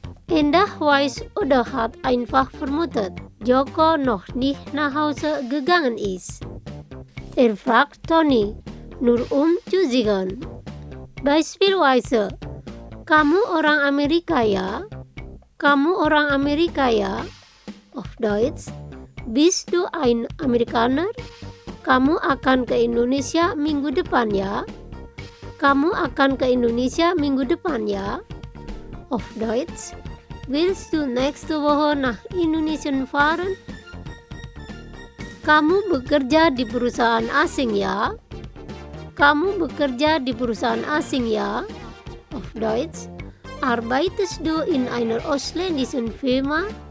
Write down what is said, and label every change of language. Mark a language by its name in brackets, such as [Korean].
[German] Endah weiß oder hat einfach vermutet, Joko noch nicht nach Hause gegangen ist. Er fragt Toni, nur um zu sehen. [Indonesian] Beispielsweise, kamu orang Amerika ya? Kamu orang Amerika ya? [German] Auf Deutsch, bist du ein Amerikaner? [Indonesian] Kamu akan ke Indonesia minggu depan ya? Kamu akan ke Indonesia minggu depan ya? [German] Auf Deutsch, willst du nächste Woche nach Indonesia fahren? [Indonesian] Kamu bekerja di perusahaan asing ya? Kamu bekerja di perusahaan asing ya? [German] Auf Deutsch, arbeitest du in einer ausländischen Firma?